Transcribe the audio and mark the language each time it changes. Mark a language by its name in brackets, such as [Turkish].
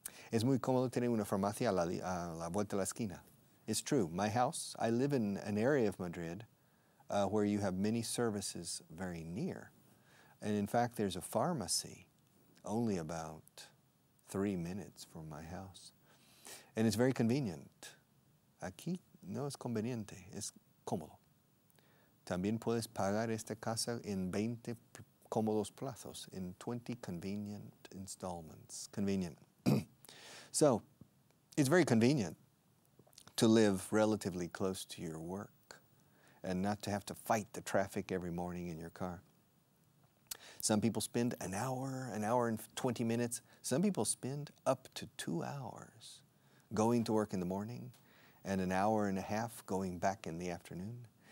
[Spanish] Es muy cómodo tener una farmacia a la vuelta de la esquina. [English] It's true. My house, I live in an area of Madrid where you have many services very near. And in fact, there's a pharmacy only about 3 minutes from my house. And it's very convenient. [Spanish] Aquí no es conveniente, es cómodo. También puedes pagar esta casa en 20 cómodos plazos, [English] in 20 convenient installments. Convenient. So, it's very convenient to live relatively close to your work and not to have to fight the traffic every morning in your car. Some people spend an hour and 20 minutes. Some people spend up to 2 hours going to work in the morning and an hour and a half going back in the afternoon.